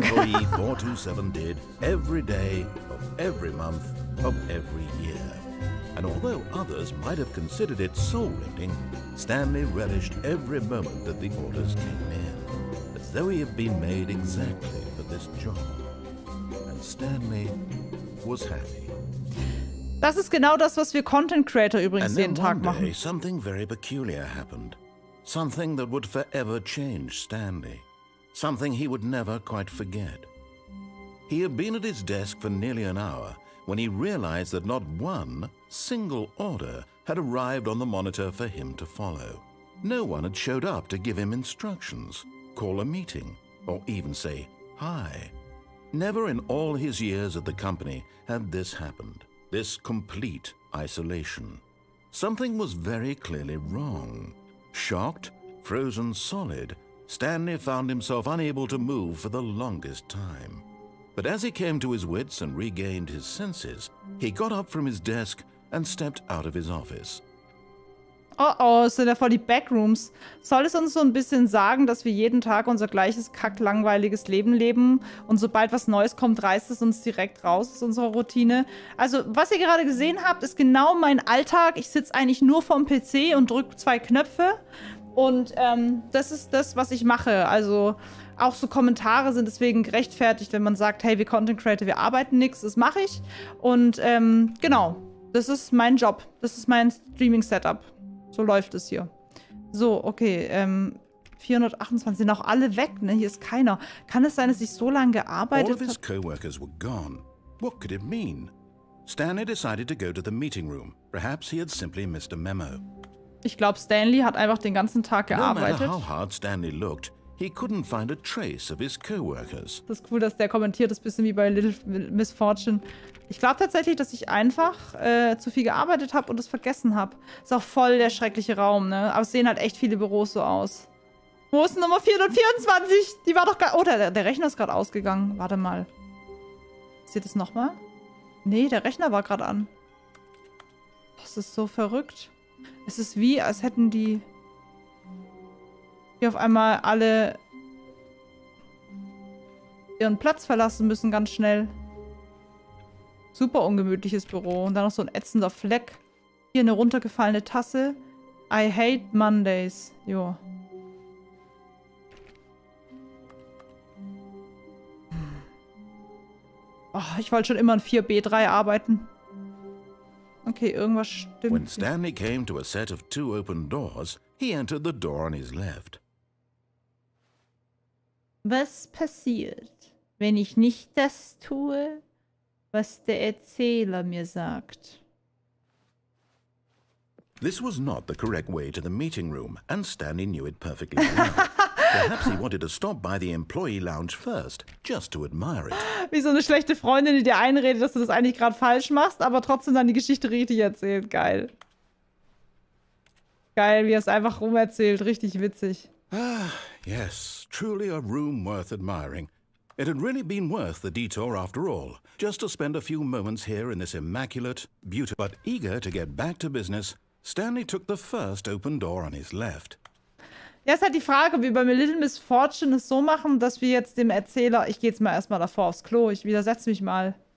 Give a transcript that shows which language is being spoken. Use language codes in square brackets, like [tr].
[en] This is what employee 427 did every day of every month of every year. And although others might have considered it soul-rending, Stanley relished every moment that the orders came in, as though he had been made exactly for this job. And Stanley was happy. [de] Das ist genau das, was wir Content Creator übrigens jeden Tag machen. [en] And then one day, something very peculiar happened. Something that would forever change Stanley. Something he would never quite forget. He had been at his desk for nearly an hour when he realized that not one single order had arrived on the monitor for him to follow. No one had showed up to give him instructions, call a meeting, or even say hi. Never in all his years at the company had this happened. This complete isolation. Something was very clearly wrong. Shocked, frozen solid, Stanley found himself unable to move for the longest time. But as he came to his wits and regained his senses, he got up from his desk and stepped out of his office. [de] Oh, sind ja voll die Backrooms. Soll es uns so ein bisschen sagen, dass wir jeden Tag unser gleiches kacklangweiliges Leben leben und sobald was Neues kommt, reißt es uns direkt raus aus unserer Routine? Also, was ihr gerade gesehen habt, ist genau mein Alltag. Ich sitze eigentlich nur vorm PC und drücke zwei Knöpfe und das ist das, was ich mache. Also, auch so Kommentare sind deswegen gerechtfertigt, wenn man sagt, hey, wir Content Creator, wir arbeiten nichts, das mache ich. Und genau, das ist mein Job, das ist mein Streaming-Setup. So läuft es hier. So, okay. 428. Sind auch alle weg, ne? Hier ist keiner. Kann es sein, dass ich so lange gearbeitet habe? [en] All of his co-workers were gone. What could it mean? Stanley decided to go to the meeting room. Perhaps he had simply missed a memo. [de] Ich glaube, Stanley hat einfach den ganzen Tag gearbeitet. [en] No matter how hard Stanley looked, he couldn't find a trace of his co-workers. [de] Das ist cool, dass der kommentiert, das ist ein bisschen wie bei Little Miss Fortune. Ich glaube tatsächlich, dass ich einfach zu viel gearbeitet habe und es vergessen habe. Ist auch voll der schreckliche Raum, ne? Aber es sehen halt echt viele Büros so aus. Wo ist Nummer 424? Die war doch gerade. Oh, der Rechner ist gerade ausgegangen. Warte mal. Seht ihr das nochmal? Nee, der Rechner war gerade an. Das ist so verrückt. Es ist wie, als hätten die hier auf einmal alle ihren Platz verlassen müssen, ganz schnell. Super ungemütliches Büro. Und dann noch so ein ätzender Fleck. Hier eine runtergefallene Tasse. [en] I hate Mondays. Jo. [de] Oh, ich wollte schon immer in 4B3 arbeiten. Okay, irgendwas stimmt. [en] When Stanley came to a set of two open doors, he entered the door on his left. [de] Was passiert, wenn ich nicht das tue, was der Erzähler mir sagt? [en] This was not the correct way to the meeting room, and Stanley knew it perfectly well. Perhaps he wanted to stop by the employee lounge first, just to admire it. [de] Wie so eine schlechte Freundin, die dir einredet, dass du das eigentlich gerade falsch machst, aber trotzdem dann die Geschichte richtig erzählt. Geil. Geil, wie er es einfach rumerzählt. Richtig witzig. [en] Ah, yes, truly a room worth admiring. It had really been worth the detour after all, just to spend a few moments here in this immaculate, beautiful... But eager to get back to business, Stanley took the first open door on his left. [de] Ja, ist halt die Frage, ob wir bei Little Miss Fortune es so machen, dass wir jetzt dem Erzähler... Ich geh jetzt mal erstmal davor aufs Klo, ich widersetze mich mal.